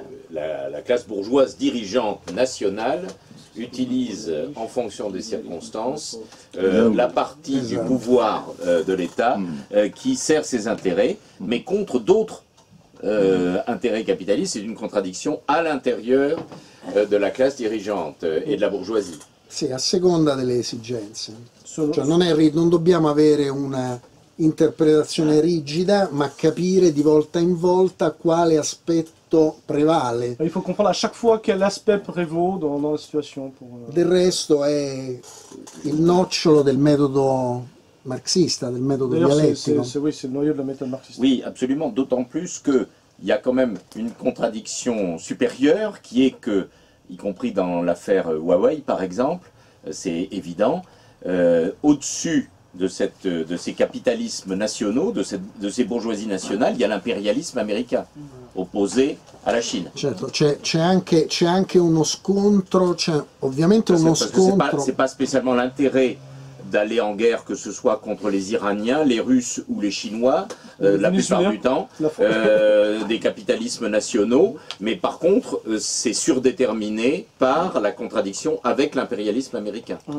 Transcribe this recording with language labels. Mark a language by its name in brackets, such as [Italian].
[French] La classe bourgeoise dirigeante nationale utilise en fonction des circonstances la partie du pouvoir de l'État qui sert ses intérêts, mais contre d'autres intérêts capitalistes. C'est une contradiction à l'intérieur de la classe dirigeante et de la bourgeoisie. C'est à [Italian] seconda delle esigenze. Non dobbiamo avere una interpretazione rigida, ma capire di volta in volta quale aspetto prevale. [French] Il faut comprendre à chaque fois quel aspect prévaut dans la situation. [Italian] Del resto è il nocciolo del metodo marxista, del metodo dialettico. [French] C'est le noyau de la méthode marxiste. Oui, absolument, d'autant plus qu'il y a quand même une contradiction supérieure qui est que, y compris dans l'affaire Huawei par exemple, c'est évident, au-dessus de ces capitalismes nationaux, de ces bourgeoisies nationales, il y a l'impérialisme américain opposé à la Chine. [Italian] Certo, c'è anche uno scontro, c'è ovviamente uno scontro. [French] C'est pas spécialement l'intérêt d'aller en guerre, que ce soit contre les Iraniens, les Russes ou les Chinois, des capitalismes nationaux, mais par contre, c'est surdéterminé par la contradiction avec l'impérialisme américain.